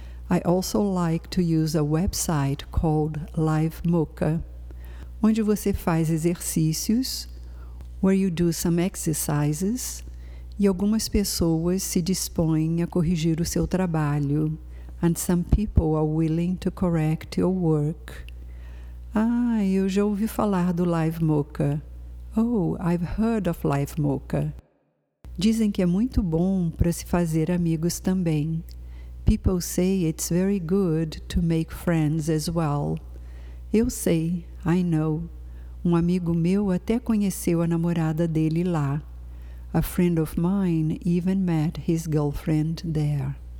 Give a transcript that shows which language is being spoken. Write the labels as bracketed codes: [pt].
[en] I also like to use a website called Live Mocha, [pt] onde você faz exercícios, [en] where you do some exercises, [pt] e algumas pessoas se dispõem a corrigir o seu trabalho, [en] and some people are willing to correct your work. [pt] Ah, eu já ouvi falar do Live Mocha. [en] Oh, I've heard of Live Mocha. [pt] Dizem que é muito bom para se fazer amigos também. [en] People say it's very good to make friends as well. [pt] Eu sei, [en] I know. [pt] Um amigo meu até conheceu a namorada dele lá. [en] A friend of mine even met his girlfriend there.